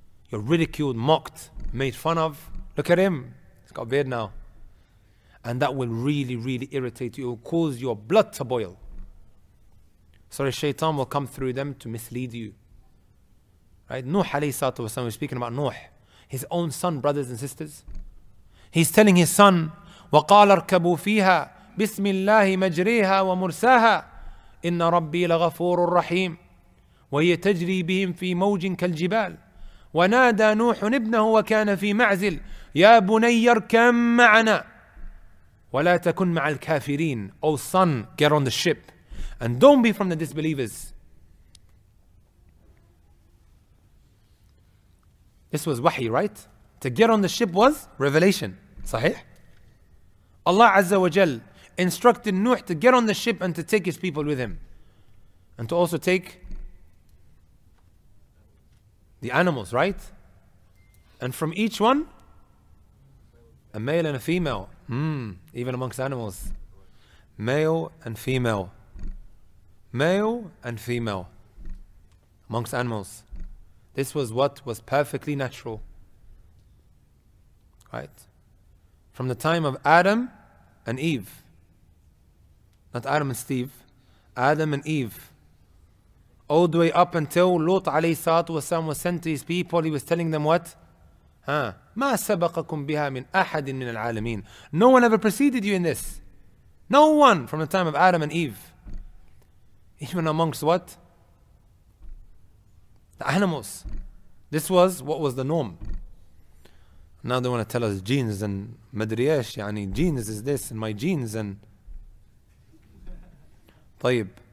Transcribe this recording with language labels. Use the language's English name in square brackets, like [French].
[English] You're ridiculed, mocked, made fun of. Look at him. He's got a beard now. And that will really, really irritate you. It will cause your blood to boil. So the shaitan will come through them to mislead you. Right? Nuh alayhi salatu wasalam, we're speaking about Nuh. His own son, brothers and sisters. He's telling his son, [Arabic] وَقَالَ ارْكَبُوا فِيهَا بِسْمِ اللَّهِ مَجْرِيهَا وَمُرْسَاهَا إِنَّ رَبِّي لَغَفُورٌ رَّحِيمٌ وَهِيَ تَجْرِي بِهِمْ فِي مَوْجٍ كَالْجِبَالِ وَنَادَى نُوحٌ ابْنَهُ وَكَانَ فِي مَعْزِلٍ يَا بُنَيَّ ارْكَمْ مَعَنَا وَلَا تَكُنْ مَعَ الْكَافِرِينَ. [English] Oh son, get on the ship and don't be from the disbelievers. This was wahi, right? To get on the ship was revelation, [Arabic] صحيح? [English] Allah Azza wa Jal instructed Nuh to get on the ship and to take his people with him. And to also take the animals, right? And from each one, a male and a female. Even amongst animals. Male and female. Male and female. Amongst animals. This was what was perfectly natural. Right? From the time of Adam and Eve. Not Adam and Steve, Adam and Eve. All the way up until Lut alayhi salatu wasalam was sent to his people, he was telling them what? [Arabic] ما سبقكم بها من أحد من العالمين. [English] No one ever preceded you in this. No one from the time of Adam and Eve. Even amongst what? The animals. This was what was the norm. Now they want to tell us genes and madriyash, يعني genes is this and my genes and طيب.